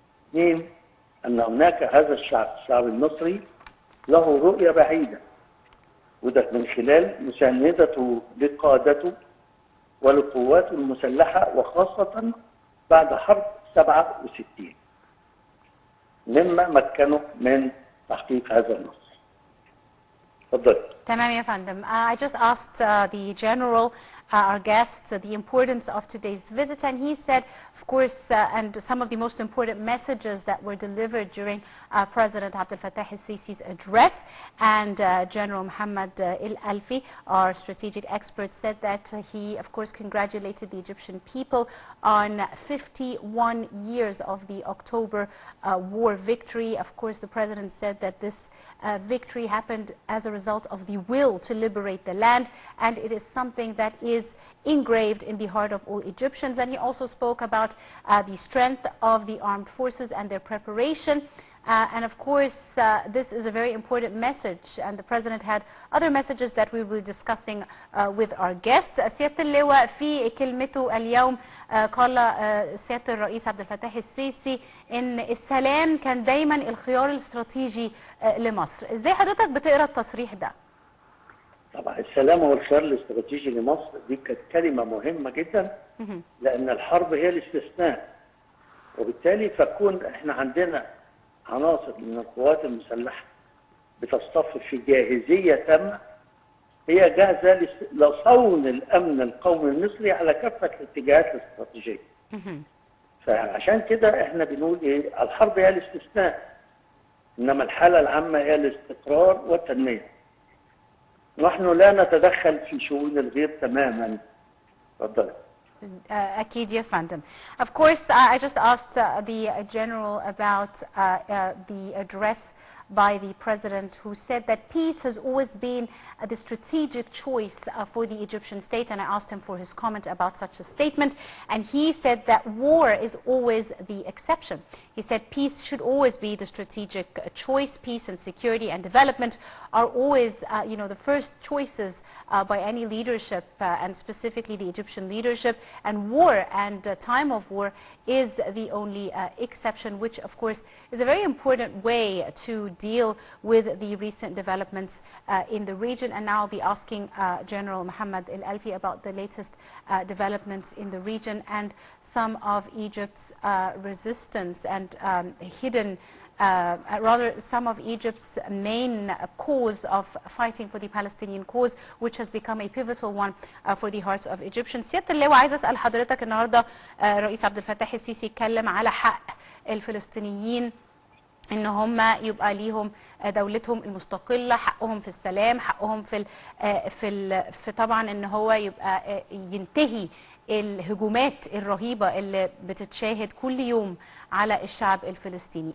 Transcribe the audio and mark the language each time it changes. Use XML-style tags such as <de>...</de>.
<ar>اثنين، ان هناك هذا الشعب، الشعب المصري له رؤيه بعيده، وده من خلال مساندته لقادته ولقواته المسلحه وخاصه بعد حرب 67 مما مكنه من تحقيق هذا النصر. تمام يا فندم.</ar> <en>I just asked the general, our guests, the importance of today's visit, and he said, of course, and some of the most important messages that were delivered during President Abdel Fattah el-Sisi's address, and General Mohamed Alfy, our strategic expert, said that he, of course, congratulated the Egyptian people on 51 years of the October war victory. Of course, the president said that this victory happened as a result of the will to liberate the land, and it is something that is engraved in the heart of all Egyptians. And he also spoke about the strength of the armed forces and their preparation. And of course, this is a very important message, and the president had other messages that we will be discussing with our guest.</en> <ar>سيادة اللواء في كلمته اليوم قال سيادة الرئيس عبد الفتاح السيسي ان السلام كان دايما الخيار الاستراتيجي لمصر. ازاي حضرتك بتقرا التصريح ده؟ طبعا السلام هو الخيار الاستراتيجي لمصر، دي كانت كلمه مهمه جدا لان الحرب هي الاستثناء، وبالتالي فكون احنا عندنا عناصر من القوات المسلحه بتصطف في جاهزيه تامه، هي جاهزه لصون الامن القومي المصري على كافه الاتجاهات الاستراتيجيه. فعشان كده احنا بنقول ايه؟ الحرب هي الاستثناء، انما الحاله العامه هي الاستقرار والتنميه. نحن لا نتدخل في شؤون الغير تماما. تفضل. Akid,</ar> <en>yes,</en> <ar>fandom.</ar> <en>Of course, I just asked the general about the address by the president, who said that peace has always been the strategic choice for the Egyptian state, and I asked him for his comment about such a statement, and he said that war is always the exception. He said peace should always be the strategic choice. Peace and security and development are always you know, the first choices by any leadership, and specifically the Egyptian leadership, and war and time of war is the only exception, which of course is a very important way to deal with the recent developments in the region. And now I'll be asking General Mohamed Alfy about the latest developments in the region and some of Egypt's resistance and hidden, rather some of Egypt's main cause of fighting for the Palestinian cause, which has become a pivotal one for the hearts of Egyptians.</en> <ar>سيادة اللواء عايز أسأل حضرتك النهاردة الرئيس عبد الفتاح السيسي يتكلم على حق الفلسطينيين ان هم يبقى ليهم دولتهم المستقله، حقهم في السلام، حقهم في طبعا ان هو يبقى ينتهي الهجومات الرهيبه اللي بتتشاهد كل يوم على الشعب الفلسطيني.</ar>